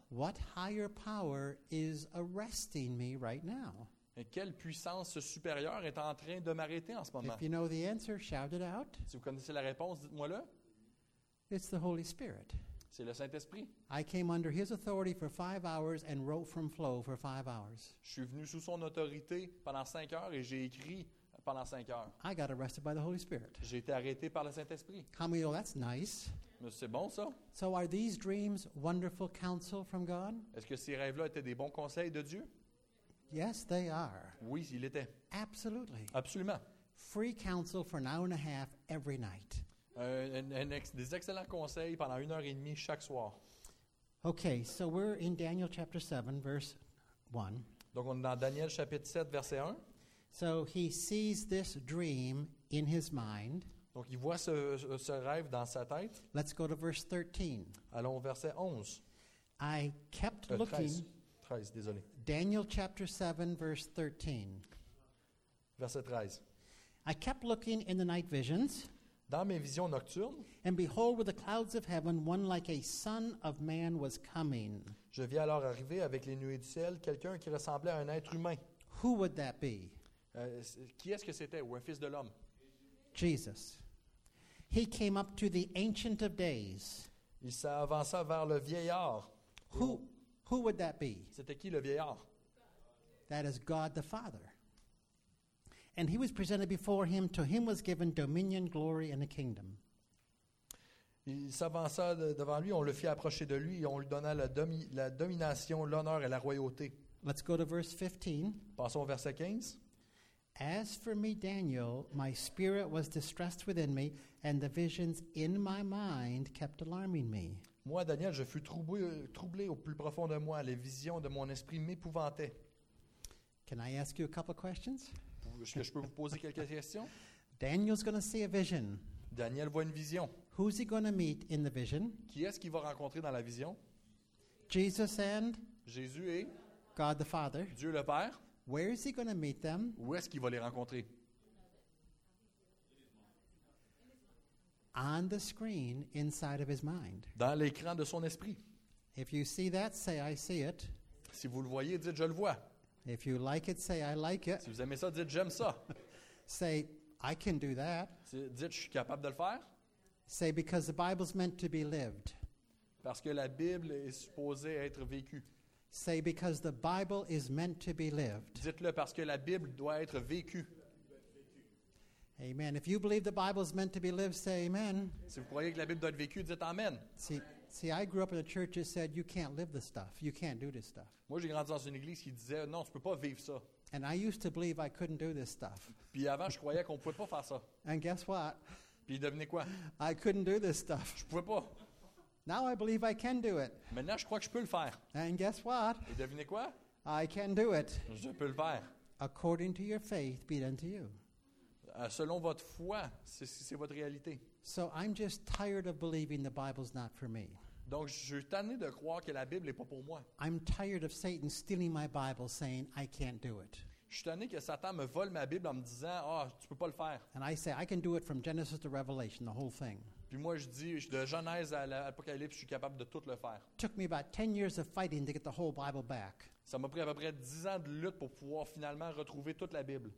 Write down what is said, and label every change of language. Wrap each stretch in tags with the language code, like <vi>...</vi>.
<en>What higher power is arresting me right now?</en> <fr>Et quelle puissance supérieure est en train de m'arrêter en ce moment?</fr> <en>If you know the answer, shout it out.</en> <fr>Si vous connaissez la réponse, dites-moi-le.</fr> <en>It's the Holy Spirit.</en> <fr>C'est le Saint-Esprit.</fr> <en>I came under his authority for 5 hours and wrote from flow for 5 hours.</en> <fr>Je suis venu sous son autorité pendant 5 heures et j'ai écrit pendant 5 heures.</fr> <en>I got arrested by the Holy Spirit.</en> <fr>J'ai été arrêté par le Saint-Esprit.</fr> <en>Camille, that's nice.</en> <fr>Mais c'est bon, ça.</fr> <en>So are these dreams wonderful counsel from God?</en> <fr>Est-ce que ces rêves-là étaient des bons conseils de Dieu?</fr> <en>Yes, they are.</en> <fr>Oui, il était.</fr> <en>Absolutely.</en> <fr>Absolument.</fr> <en>Free counsel for an hour and a half every night.</en> <fr>Des excellents conseils pendant 1 heure et demie chaque soir.</fr> <en>Okay, so we're in Daniel chapter 7, verse 1.</en> <fr>Donc on est dans Daniel chapitre 7, verset 1.</fr> <en>So he sees this dream in his mind.</en> <fr>Donc il voit ce rêve dans sa tête.</fr> <en>Let's go to verse 13.</en> <fr>Allons au verset 11.</fr> <en>I kept looking.</en> <fr>13, désolé.</fr> <en>Daniel chapter 7, verse 13.</en> <fr>Verset 13.</fr> <en>I kept looking in the night visions.</en> <fr>Dans mes visions nocturnes.</fr> <en>And behold, with the clouds of heaven, one like a son of man was coming.</en> <fr>Je vis alors arriver avec les nuées du ciel quelqu'un qui ressemblait à un être humain.</fr> <en>Who would that be?</en> <fr>Qui est-ce que c'était? Ou un fils de l'homme?</fr> <en>Jesus. He came up to the Ancient of Days.</en> <fr>Il s'avança vers le vieillard.</fr> <en>Who would that be?</en> <fr>C'était qui le vieillard?</fr> <en>That is God the Father. And he was presented before him. To him was given dominion, glory, and a kingdom.</en> <fr>Il s'avança devant lui. On le fit approcher de lui. Et on lui donna la domination, l'honneur et la royauté.</fr> <en>Let's go to verse 15.</en> <fr>Passons au verset 15.</fr> <en>As for me, Daniel, my spirit was distressed within me, and the visions in my mind kept alarming me.</en> <fr>Moi, Daniel, je fus troublé au plus profond de moi. Les visions de mon esprit m'épouvantaient.</fr> <en>Can I ask you a couple of questions?</en> <fr>Est-ce que je peux vous poser quelques questions?</fr> <en>Daniel's going to see a vision.</en> <fr>Daniel voit une vision.</fr> <en>Who's he going to meet in the vision?</en> <fr>Qui est-ce qu'il va rencontrer dans la vision?</fr> <en>Jesus and?</en> <fr>Jésus et?</fr> <en>God the Father.</en> <fr>Dieu le Père.</fr> <en>Where is he going to meet them?</en> <fr>Où est-ce qu'il va les rencontrer?</fr> <en>On the screen inside of his mind.</en> <fr>Dans l'écran de son esprit.</fr> <en>If you see that, say I see it.</en> <fr>Si vous le voyez, dites je le vois.</fr> <en>If you like it, say I like it.</en> <fr>Si vous aimez ça, dites j'aime ça.</fr> <en>Say I can do that.</en> <fr>Dites je suis capable de le faire.</fr> <en>Say because the Bible's meant to be lived.</en> <fr>Parce que la Bible est supposée être vécue.</fr> <en>Say because the Bible is meant to be lived.</en> <fr>Dites-le parce que la Bible doit être vécue.</fr> <en>Amen. If you believe the Bible is meant to be lived, say amen.</en> <fr>Si vous croyez que la Bible doit être vécue, dites amen.</fr> <en>See, I grew up in a church that said you can't live this stuff. You can't do this stuff.</en> <fr>Moi, j'ai grandi dans une église qui disait non, tu peux pas vivre ça.</fr> <en>And I used to believe I couldn't do this stuff.</en> <fr>Puis avant, je croyais qu'on pouvait pas faire ça.</fr> <en>And guess what?</en> <fr>Puis devinez quoi?</fr> <en>I couldn't do this stuff.</en> <fr>Je pouvais pas.</fr> <en>Now I believe I can do it.</en> <fr>Maintenant, je crois que je peux le faire.</fr> <en>And guess what?</en> <fr>Et devinez quoi?</fr> <en>I can do it.</en> <fr>Je peux le faire.</fr> <en>According to your faith, be it unto you.</en> <fr>Selon votre foi, c'est votre réalité.</fr> <en>So I'm just tired of believing the Bible's not for me.</en> <fr>Donc je suis tanné de croire que la Bible n'est pas pour moi.</fr> <en>I'm tired of Satan stealing my Bible, saying I can't do it.</en> <fr>Je suis tanné que Satan me vole ma Bible en me disant, ah, oh, tu peux pas le faire.</fr> <en>And I say I can do it from Genesis to Revelation, the whole thing.</en> <fr>Puis moi je dis, de Genèse à l'Apocalypse, je suis capable de tout le faire.</fr> <en>Took me about 10 years of fighting to get the whole Bible back.</en> <fr>Ça m'a pris à peu près 10 ans de lutte pour pouvoir finalement retrouver toute la Bible.</fr>